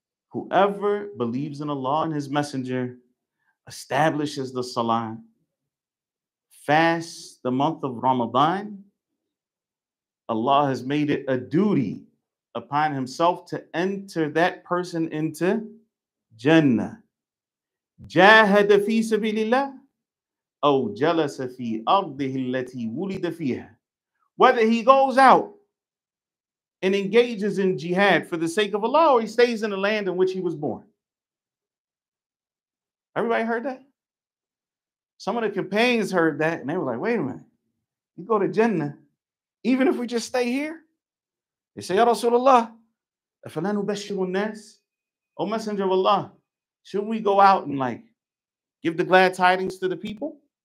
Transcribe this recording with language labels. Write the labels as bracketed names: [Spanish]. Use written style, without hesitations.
[English] Whoever believes in Allah and His Messenger, establishes the Salah, fasts the month of Ramadan, Allah has made it a duty upon Himself to enter that person into Jannah. [Arabic] جاهد في سبيل الله أو جلس في أرضه التي ولد فيها. [English] Whether he goes out and engages in jihad for the sake of Allah, or he stays in the land in which he was born. Everybody heard that? Some of the companions heard that, and they were like, wait a minute. You go to Jannah, even if we just stay here? They say, Ya Rasulullah, [Arabic] أَفَلَا نُبَشِّرُ النَّاسِ [English] O Messenger of Allah, shouldn't we go out and like give the glad tidings to the people?